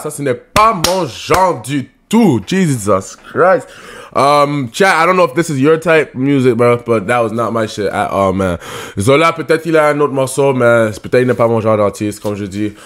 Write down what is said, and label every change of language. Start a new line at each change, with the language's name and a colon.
French: Ça, ce n'est pas mon genre du tout.
English: Jesus Christ. Chat, I don't know if this is your type music, bro, but that was not my shit at all, man.
French: Zola, peut-être il a un autre morceau, mais peut-être il n'est pas mon genre d'artiste, comme je dis.